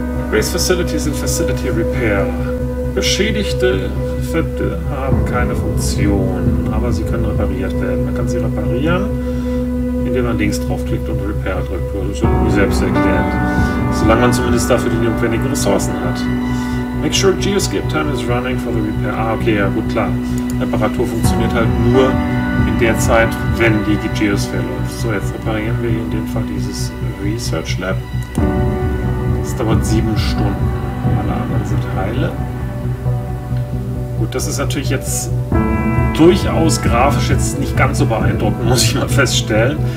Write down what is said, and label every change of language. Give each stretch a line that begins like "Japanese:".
German: Base Facilities sind Facility Repair. Beschädigte Fette haben keine Funktion, aber sie können repariert werden. Man kann sie reparieren, indem man links draufklickt und Repair drückt. Das ist irgendwie selbst erklärt. Solange man zumindest dafür die notwendigen Ressourcen hat.
English: Make sure Geoscape Time is running for the repair.
German: Ah, okay, ja, gut, klar. Reparatur funktioniert halt nur in der Zeit, wenn die Geosphere läuft. So, jetzt reparieren wir in dem Fall dieses Research Lab. Das dauert 7 Stunden. Alle anderen sind heile. Gut, das ist natürlich jetzt durchaus grafisch jetzt nicht ganz so beeindruckend, muss ich mal feststellen.